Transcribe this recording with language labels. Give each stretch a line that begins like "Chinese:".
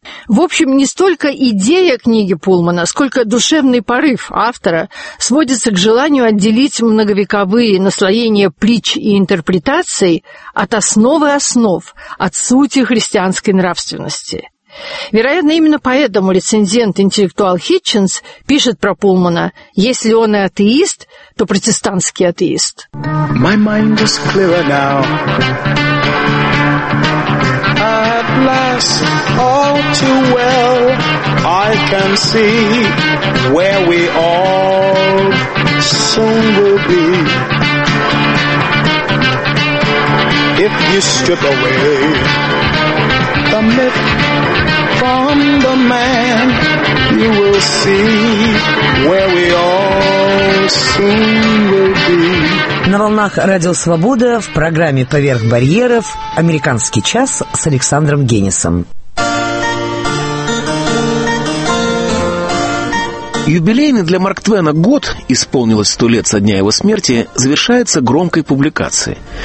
Russian: В общем, не столько идея книги Пулмана, сколько душевный порыв автора сводится к желанию отделить многовековые наслоения притч и интерпретаций от основы основ, от сути христианской нравственности. Вероятно, именно поэтому рецензент-интеллектуал Хитчинс пишет про Пулмана: «Если он и атеист, то протестантский атеист».
English: My mind is clearer now. At last, all too well, I can see where we all soon will be. If you strip away the myth from the man, you will see where we all soon will be.
Russian: На волнах «Радио Свобода» в программе «Поверх барьеров» «Американский час» с Александром Генисом. Юбилейный для Марк Твена год, исполнилось 100 лет со дня его смерти, завершается громкой публикацией.